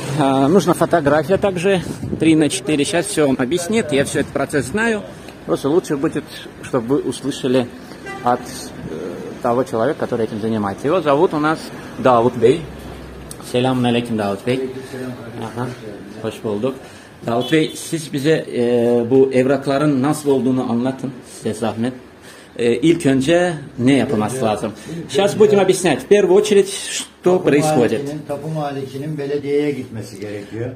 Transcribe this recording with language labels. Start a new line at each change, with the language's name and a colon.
Russian: Нужна фотография также. 3x4. Сейчас все он объяснит. Я все этот процесс знаю. Просто лучше будет, чтобы вы услышали от того человека, который этим занимается. Его зовут у нас Давуд Бей. Селям алейкум, Давуд Бей.
Turkish: Ага. Хош болдук. Davut Bey, siz bize bu evrakların nasıl olduğunu anlatın, size zahmet. İlk önce ne yapılması lazım?
Russian: Сейчас будем объяснять. В первую очередь, что происходит.
Turkish: Tapu malikinin belediyeye gitmesi gerekiyor.